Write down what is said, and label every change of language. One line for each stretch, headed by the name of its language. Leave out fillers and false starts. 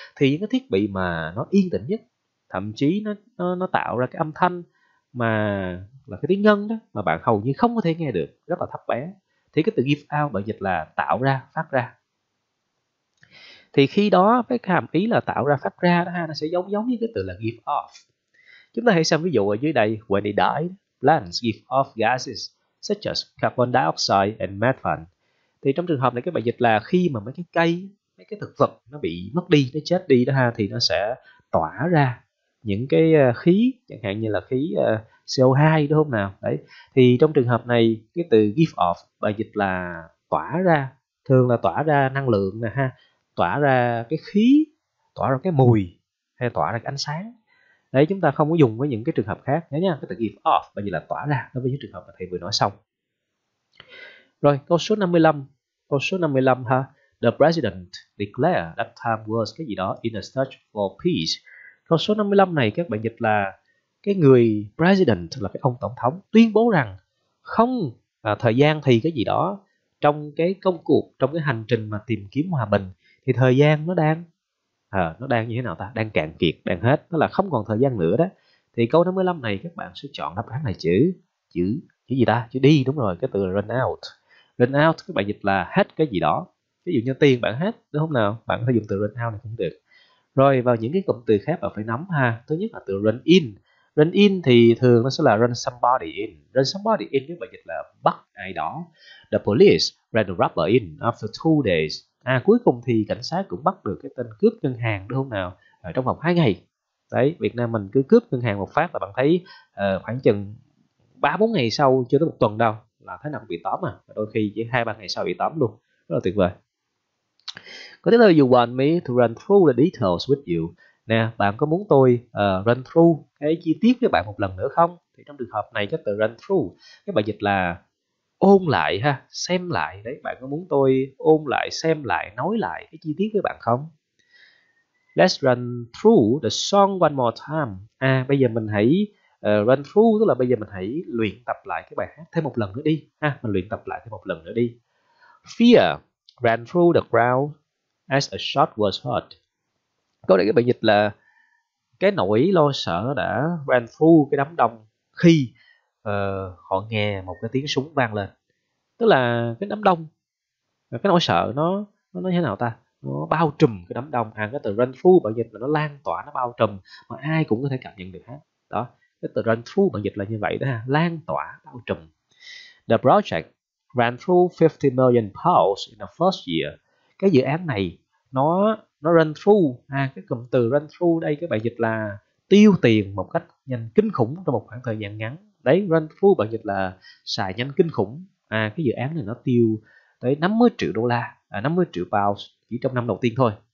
Vietnamese: Thì những cái thiết bị mà nó yên tĩnh nhất, thậm chí nó tạo ra cái âm thanh mà là cái tiếng ngân đó mà bạn hầu như không có thể nghe được, rất là thấp bé, thì cái từ give out bởi dịch là tạo ra, phát ra. Thì khi đó với cái hàm ý là tạo ra, phát ra đó ha, nó sẽ giống giống như cái từ là give off. Chúng ta hãy xem ví dụ ở dưới đây.
English: When they die, plants give off gases such as carbon dioxide and methane.
Vietnamese: Thì trong trường hợp này cái bài dịch là khi mà mấy cái cây, mấy cái thực vật nó bị mất đi, nó chết đi đó ha, thì nó sẽ tỏa ra những cái khí, chẳng hạn như là khí CO2 đúng không nào. Đấy, thì trong trường hợp này cái từ give off bài dịch là tỏa ra, thường là tỏa ra năng lượng nè ha, tỏa ra cái khí, tỏa ra cái mùi hay tỏa ra cái ánh sáng. Đấy, chúng ta không có dùng với những cái trường hợp khác nhớ nha, cái từ give off bây giờ là tỏa ra đối với những trường hợp mà thầy vừa nói xong.
English: Rồi, câu số 55 ha, the president declared that time was
Vietnamese: cái gì đó
English: in a search for peace.
Vietnamese: Câu số 55 này các bạn dịch là cái người president là cái ông tổng thống tuyên bố rằng không, thời gian thì cái gì đó trong cái công cuộc, trong cái hành trình mà tìm kiếm hòa bình, thì thời gian nó đang như thế nào ta, đang cạn kiệt, đang hết, tức là không còn thời gian nữa đó. Thì câu 55 này các bạn sẽ chọn đáp án này chữ chữ chữ gì ta, chữ đi, đúng rồi, cái từ là run out. Run out các bạn dịch là hết cái gì đó. ví dụ như tiền bạn hết, đúng không nào? Bạn có thể dùng từ run out này cũng được. Rồi vào những cái cụm từ khác bạn phải nắm ha. Thứ nhất là từ run in. Run in thì thường nó sẽ là run somebody in. Run somebody in nếu bạn dịch là bắt ai đó.
English: The police ran the robber in after 2 days.
Vietnamese: À, cuối cùng thì cảnh sát cũng bắt được cái tên cướp ngân hàng, đúng không nào? Ở trong vòng 2 ngày. Đấy, Việt Nam mình cứ cướp ngân hàng một phát là bạn thấy khoảng chừng 3-4 ngày sau, chưa tới 1 tuần đâu, là thế nào cũng bị tóm à. Đôi khi chỉ 2-3 ngày sau bị tóm luôn. Rất là tuyệt vời. Có thể là
English: you want me to run through the details with you.
Vietnamese: Nè, bạn có muốn tôi run through cái chi tiết với bạn một lần nữa không? Thì trong trường hợp này cái từ run through các bạn dịch là ôn lại ha, xem lại đấy. Bạn có muốn tôi ôn lại, xem lại, nói lại cái chi tiết với bạn không?
English: Let's run through the song one more time.
Vietnamese: À, bây giờ mình hãy run through, tức là bây giờ mình hãy luyện tập lại cái bài hát thêm một lần nữa đi ha. Mình luyện tập lại thêm một lần nữa đi.
English: Fear ran through the crowd as a shot was heard.
Vietnamese: Có lẽ các bạn dịch là cái nỗi lo sợ đã ran through cái đám đông khi họ nghe một cái tiếng súng vang lên. Tức là cái đám đông, cái nỗi sợ nó như thế nào ta? Nó bao trùm cái đám đông. À, cái từ run through bạn dịch là nó lan tỏa, nó bao trùm, mà ai cũng có thể cảm nhận được hết. Đó, cái từ run through bạn dịch là như vậy đó ha, lan tỏa, bao trùm.
English: The project ran through 50 million pounds in the first year.
Vietnamese: Cái dự án này nó run through, à, cái cụm từ run through đây các bạn dịch là tiêu tiền một cách nhanh kinh khủng trong một khoảng thời gian ngắn. Đấy, run through bạn dịch là xài nhanh kinh khủng. À, cái dự án này nó tiêu tới 50 triệu đô la, à, 50 triệu pounds chỉ trong năm đầu tiên thôi.